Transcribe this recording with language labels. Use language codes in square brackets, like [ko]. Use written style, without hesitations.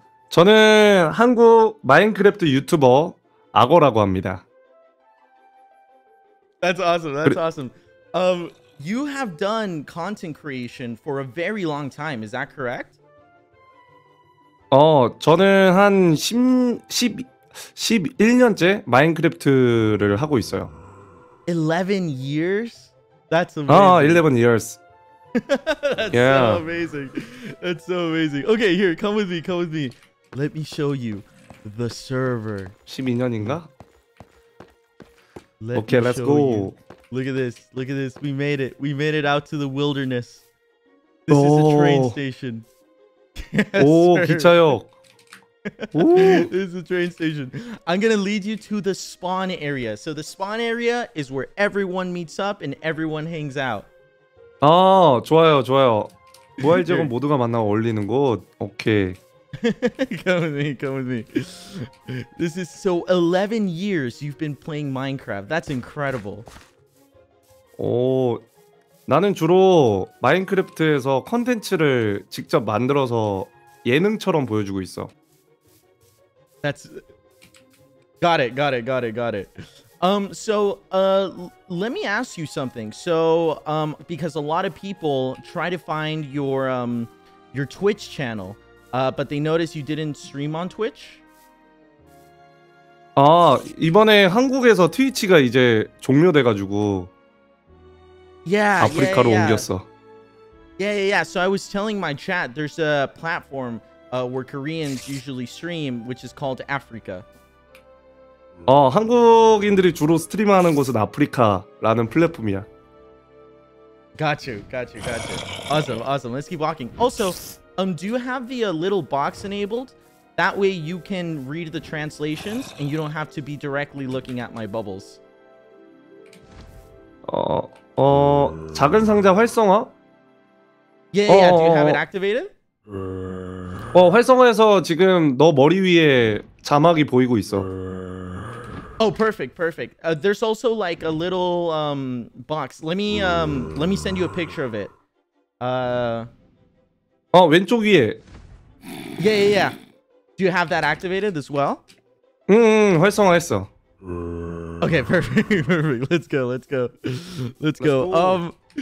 [ko] 저는 한국 마인크래프트 유튜버 아고라고 합니다. [en] That's awesome. You have done content creation for a very long time, is that correct? [ko] 저는 한 11년째 마인크래프트를 하고 있어요. [en] 11 years? That's amazing. 11 years. That's so amazing. That's so amazing. Okay, here, come with me, come with me. Let me show you the server. [ko] 12년인가? [en] Okay, let's go. Look at this. Look at this. We made it. We made it out to the wilderness. This is a train station. Yes, oh, 기차역. This is a train station. I'm gonna lead you to the spawn area. So the spawn area is where everyone meets up and everyone hangs out. [ko] 아, 좋아요, 좋아요. 부활 지역은 모두가 만나고 어울리는 곳. 오케이. [en] Come with me, come with me. This is so 11 years you've been playing Minecraft. That's incredible. [ko] 오, 나는 주로 마인크래프트에서 컨텐츠를 직접 만들어서 예능처럼 보여주고 있어. [en] That's got it, got it, got it, got it. Let me ask you something. So, because a lot of people try to find your Twitch channel, but they notice you didn't stream on Twitch. [ko] 아, 이번에 한국에서 트위치가 이제 종료돼가지고 아프리카로 옮겼어. [en] Yeah. So I was telling my chat, there's a platform. Where Koreans usually stream, which is called Africa. [ko] 한국인들이 주로 스트림하는 곳은 아프리카라는 플랫폼이야. [en] Got you. Awesome. Let's keep walking. Also, do you have the little box enabled? That way you can read the translations and you don't have to be directly looking at my bubbles. [ko] 작은 상자 활성화? [en] Yeah. Do you have it activated? [ko] 활성화에서 지금 너 머리 위에 자막이 보이고 있어. [en] Oh, perfect. There's also like a little box. Let me send you a picture of it. [ko] 왼쪽 위에. [en] Yeah. Do you have that activated as well? [ko] 활성화했어. [en] Okay, perfect. Let's go.